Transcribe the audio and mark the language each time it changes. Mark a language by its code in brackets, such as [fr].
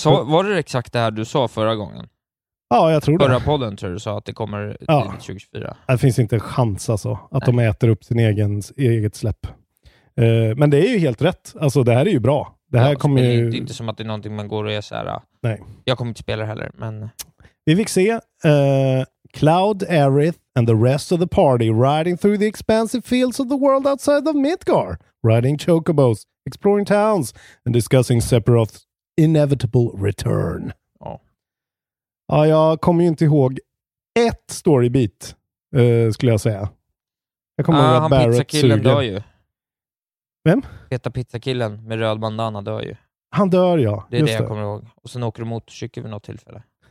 [sv] Så, var det exakt det här du sa förra gången? Ja, jag tror det. Förra podden tror du sa att det kommer till 2024. Det finns inte en chans alltså att Nej. De äter upp sin eget släpp. Men det är ju helt rätt. Alltså det här är ju bra. Det här kommer ju... Det är inte som att det är någonting man går och är så här. Nej. Jag kommer inte spela det heller, men... [en] Vi fick se Cloud, Aerith and the rest of the party riding through the expansive fields of the world outside of Midgar, riding chocobos, exploring towns and discussing Sephiroth's inevitable return. [sv] Ja, jag kommer ju inte ihåg ett storybeat, skulle jag säga. Jag kommer ihåg att Barrett suger. Pizzakillen dör ju. Vem? Feta pizzakillen med röd bandana dör ju. Han dör, ja. Det är det jag kommer ihåg. Och sen åker du motorcykel vid något tillfälle.